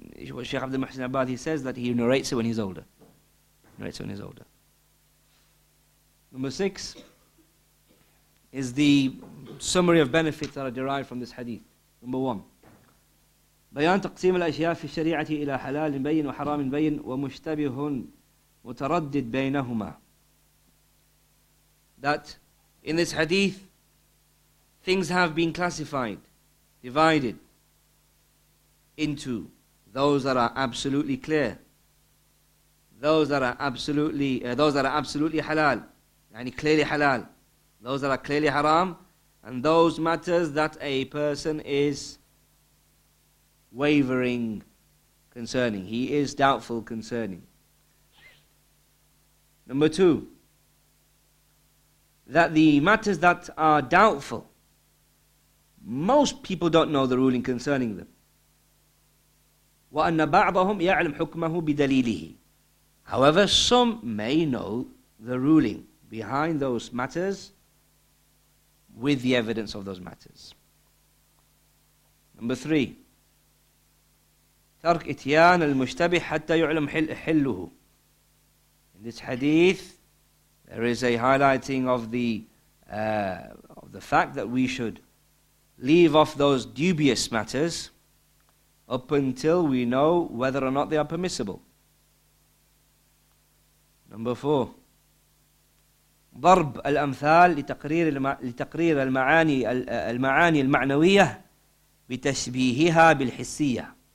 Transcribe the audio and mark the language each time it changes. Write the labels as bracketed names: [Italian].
[English] What Shaykh Abdul Mahsin Abad, he says that he narrates it when he's older. Number six, is the summary of benefits that are derived from this hadith. Number one. [Arabic] بيان تقسيم الأشياء في الشريعة إلى حلال بين وحرام بين ومشتبه متردد بينهما. [English] That in this hadith, things have been classified, divided into those that are absolutely clear, those that are absolutely halal, يعني clearly halal, those that are clearly haram, and those matters that a person is wavering concerning. He is doubtful concerning. Number two, that the matters that are doubtful, most people don't know the ruling concerning them. [Arabic] وَأَنَّ بَعْضَهُمْ يَعْلَمْ حُكْمَهُ بِدَلِيلِهِ. [English] However, some may know the ruling behind those matters with the evidence of those matters. Number three, [Arabic] ترك إتيان المشتبه حتى يعلم حله. [English] In this hadith, there is a highlighting of the fact that we should leave off those dubious matters up until we know whether or not they are permissible. Number four, [Arabic] ضرب الأمثال لتقرير المعاني المعنوية بتشبيهها بالحسية.